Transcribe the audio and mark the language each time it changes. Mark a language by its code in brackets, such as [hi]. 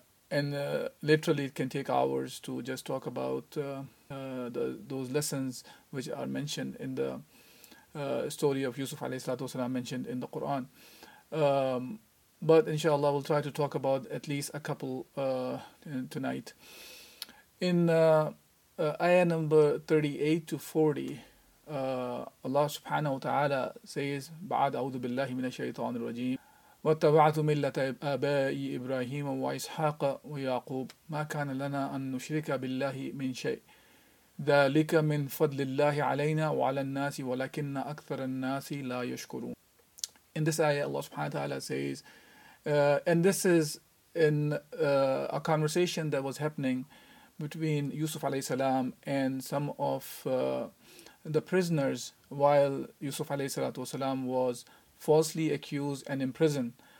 [en] And literally, it can take hours to just talk about those lessons which are mentioned in the story of Yusuf alayhi salatu wasalam, mentioned in the Quran. But inshallah, we'll try to talk about at least a couple tonight. In ayah number 38 to 40, Allah subhanahu wa ta'ala says, [ar] بعد أعوذ بالله من الشيطان الرجيم واتبعت ملة آبائي إبراهيم وإسحاق ويعقوب ما كان لنا أن نشرك بالله من شيء ذلك من فضل الله علينا وعلى الناس ولكن أكثر الناس لا يشكرون. [en] In this ayah, Allah subhanahu wa ta'ala says, and this is in a conversation that was happening between Yusuf alayhi salam and some of the prisoners while Yusuf alayhi salatu wasalam was falsely accused and imprisoned.